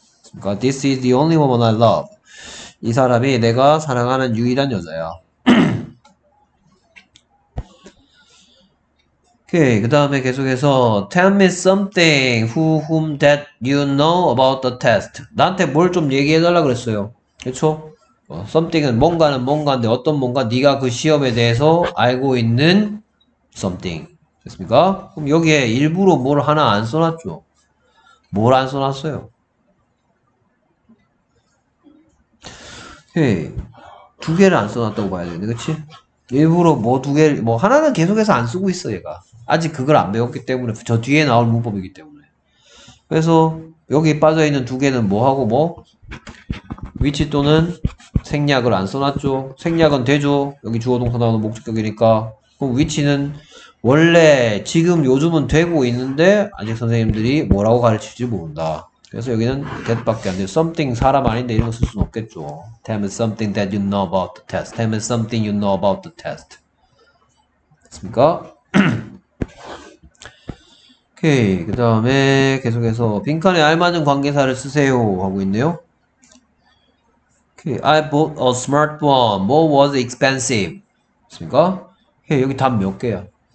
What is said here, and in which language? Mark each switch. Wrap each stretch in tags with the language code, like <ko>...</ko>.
<ko>그러니까</ko> <en>This is the only woman I love.</en> <ko>이 사람이 내가 사랑하는 유일한 여자야. 오케이. 그 다음에 계속해서</ko> <en>Tell me something who whom that you know about the test.</en> <ko>나한테 뭘좀 얘기해달라 그랬어요. 그쵸? Something은 뭔가는 뭔가인데 어떤 뭔가 네가 그 시험에 대해서 알고 있는 something. 됐습니까? 그럼 여기에 일부러 뭘 하나 안 써놨죠? 뭘안 써놨어요? 오케이. 두 개를 안 써놨다고 봐야 되는데, 그치? 일부러 뭐두 개를, 뭐 하나는 계속해서 안 쓰고 있어, 얘가. 아직 그걸 안 배웠기 때문에 저 뒤에 나올 문법이기 때문에 그래서 여기 빠져 있는 두 개는 뭐 하고 뭐 위치 또는 생략을 안 써놨죠. 생략은 되죠. 여기 주어 동사 나오는 목적격이니까. 그럼 위치는 원래 지금 요즘은 되고 있는데 아직 선생님들이 뭐라고 가르칠지 모른다. 그래서 여기는 that밖에 안 돼요. something 사람 아닌데 이런 거쓸 수는 없겠죠.</ko> <en>Tell me something that you know about the test. Tell me something you know about the test.</en> <ko>됐습니까? 오케이. 그 다음에 계속해서 빈칸에 알맞은 관계사를 쓰세요 하고 있네요.</ko> <en>오케이. I bought a smartphone. What was expensive?</en> <ko>맞습니까? 오케이. 여기 답몇 개야?</ko>